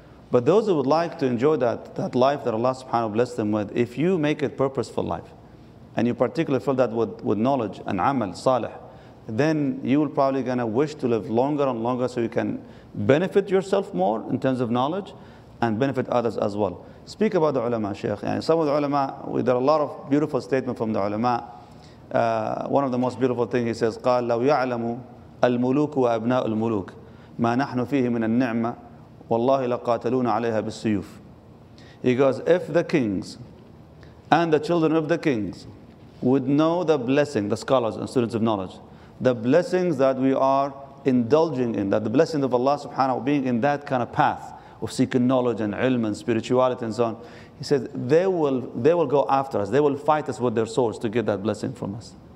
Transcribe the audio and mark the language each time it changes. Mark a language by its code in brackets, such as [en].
[en] But those who would like to enjoy that life that Allah subhanahu wa ta'ala blessed them with, if you make it purposeful life, and you particularly fill that with knowledge and amal, salih, then you will probably going to wish to live longer and longer so you can benefit yourself more in terms of knowledge and benefit others as well. Speak about the ulama, Shaykh. And some of the ulama, there are a lot of beautiful statements from the ulama. One of the most beautiful things he says, [ar] قال لو يعلم المولوك وأبناء المولوك ما نحن فيه من النعمة والله لقاتلون عليها بالسيوف. [en] He goes, if the kings and the children of the kings would know the blessing, the scholars and students of knowledge, the blessings that we are indulging in, that the blessings of Allah subhanahu wa ta'ala being in that kind of path of seeking knowledge and ilm and spirituality and so on, he says, they will go after us. They will fight us with their swords to get that blessing from us.